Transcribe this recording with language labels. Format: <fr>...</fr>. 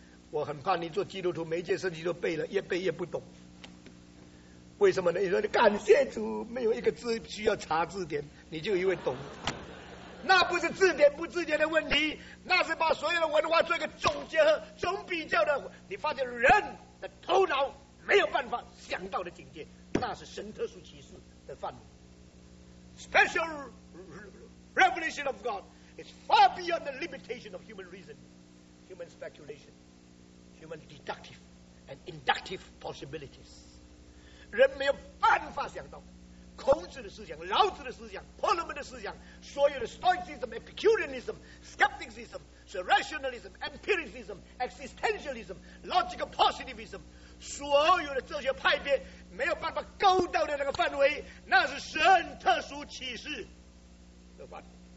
<zh>我很怕你做基督徒每一件事情都背了，越背越不懂。为什么呢？你说你感谢主，没有一个字需要查字典，你就以为懂。那不是字典不字典的问题，那是把所有的文化做一个总结和总比较的。你发现人的头脑没有办法想到的境界，那是神特殊启示的范围。</zh> <en>Special revelation of God is far beyond the limitation of human reason, human speculation, human deductive and inductive possibilities.</en> <zh>人没有办法想到，孔子的思想、老子的思想、婆罗门的思想，所有的 Stoicism、Epicureanism、Skepticism、Rationalism、Empiricism、Existentialism、Logical Positivism， 所有的这些派别没有办法勾到的那个范围，那是神特殊启示的范围。</zh>